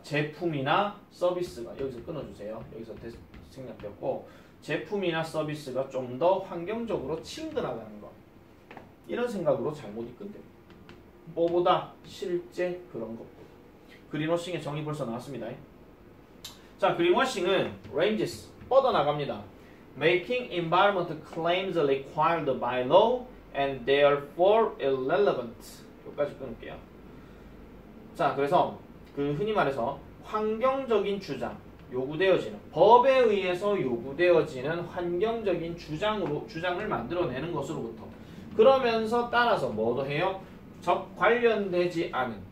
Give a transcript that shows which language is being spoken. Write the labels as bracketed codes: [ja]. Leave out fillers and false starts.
[ko] 제품이나 서비스가, 여기서 끊어주세요. 여기서 생략되었고, 제품이나 서비스가 좀 더 환경적으로 친근하다는 것. 이런 생각으로 잘못 이끈대. 뭐보다 실제 그런 것. 그린워싱의 정의 벌써 나왔습니다. 자, 그린워싱은 ranges, 뻗어나갑니다. [en] Making environment claims required by law and therefore irrelevant. [ko] 여기까지 끊을게요. 자, 그래서 그 흔히 말해서 환경적인 주장, 요구되어지는, 법에 의해서 요구되어지는 환경적인 주장으로, 주장을 만들어내는 것으로부터. 그러면서 따라서 뭐도 해요? 적 관련되지 않은.